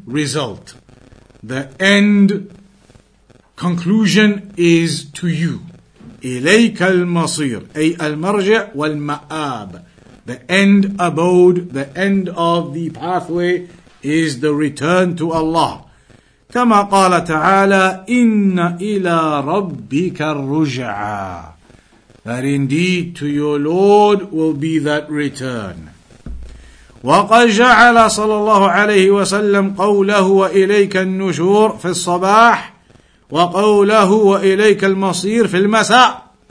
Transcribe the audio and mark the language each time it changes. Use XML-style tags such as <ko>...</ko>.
<en>result. The end conclusion is to you.</en> <ar>إِلَيْكَ الْمَصِيرُ أي الْمَرْجَعُ وَالْمَآبُ.</ar> <en>The end abode, the end of the pathway is the return to Allah.</en> <ar>كما قال تعالى إن إلى ربك الرجعى.</ar> <en>That indeed to your Lord will be that return.</en> <ar>وقد جعل صلى الله عليه وسلم قوله وإليك النشور في الصباح وقوله وإليك المصير في المساء.</ar>